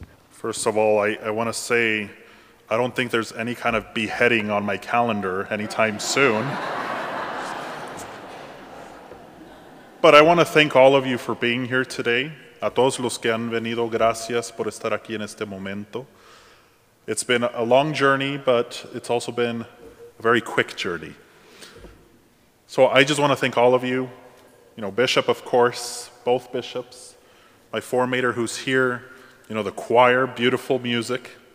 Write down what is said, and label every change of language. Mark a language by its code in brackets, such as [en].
[en] First of all, I want to say I don't think there's any kind of beheading on my calendar anytime soon. But I want to thank all of you for being here today. [es] A todos los que han venido, gracias por estar aquí en este momento. [en] It's been a long journey, but it's also been a very quick journey. So I just want to thank all of you. You know, Bishop, of course, both bishops, my formator who's here, you know, the choir, beautiful music.